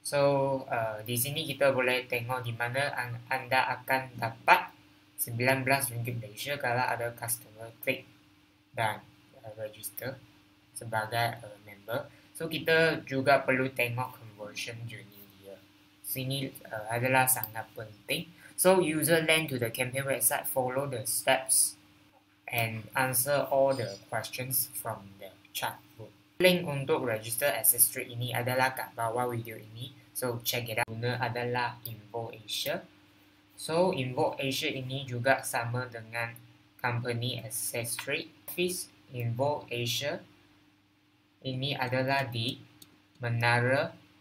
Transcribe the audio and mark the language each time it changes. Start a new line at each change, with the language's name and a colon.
Malay: So, di sini kita boleh tengok di mana anda akan dapat RM19 Malaysia kalau ada customer klik dan register sebagai member. So, kita juga perlu tengok conversion journey dia. Sini adalah sangat penting.
English: So, user land to the campaign website, follow the steps and answer all the questions from the chat room.
Malay: Link untuk register ACCESSTRADE ini adalah kat bawah video ini.
English: So, check it out.
Malay: Guna adalah InvoAsia. So, InvoAsia ini juga sama dengan company ACCESSTRADE. Office InvoAsia ini adalah di Menara